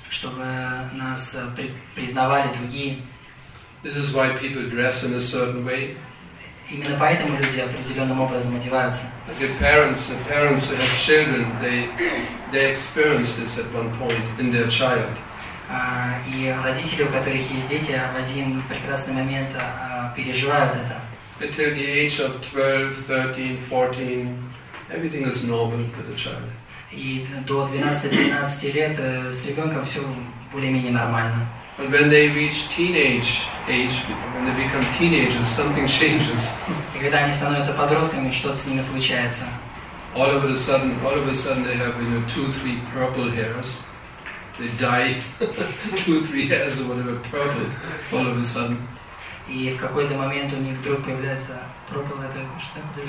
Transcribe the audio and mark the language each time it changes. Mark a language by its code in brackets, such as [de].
[ru] Чтобы нас признавали другие. [en] This is why people dress in a certain way. [ru] Именно поэтому люди определенным образом одеваются. [en] Like the parents who have children, they experience this at one point in their child. [ru] И родители, у которых есть дети, в один прекрасный момент переживают это. [en] Until the age of 12, 13, 14, everything is normal with the child. [ru] И до 12-13 лет с ребенком все более-менее нормально. [en] And when they reach teenage age, when they become teenagers, something changes. [ru] И когда они становятся подростками, что-то с ними случается. [en] All of a sudden they have, you know, 2-3 purple hairs. They dye 2-3 hairs or whatever purple all of a sudden. [ru] И в какой-то момент у них вдруг появляется пропала только что.